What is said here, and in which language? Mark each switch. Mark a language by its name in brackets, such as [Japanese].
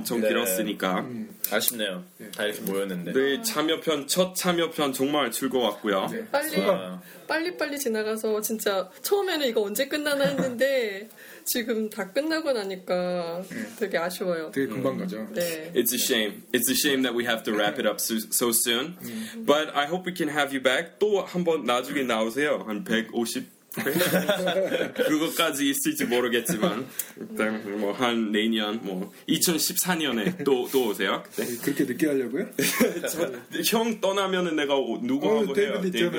[Korean] 엄청 네. 길었으니까. 아쉽네요. 다 이렇게 모였는데. 네, 참여편 첫 참여편 정말 즐거웠고요. 네. 빨리 지나가서 진짜 처음에는 이거 언제 끝나나 했는데 지금 다 끝나고 나니까 되게 아쉬워요. 되게 금방 가죠. 네. [English] It's a shame. It's a shame that we have to wrap it up so soon. But I hope we can have you back. [Korean] 또 한번 나중에 나오세요. 한 150. 그것까지 있을지 모르겠지만 일단 뭐 한 내년 뭐 2014년에 또 오세요. 네. 그렇게 늦게 하려고요? 형 떠나면은 내가 누구 하고 해요? 데이비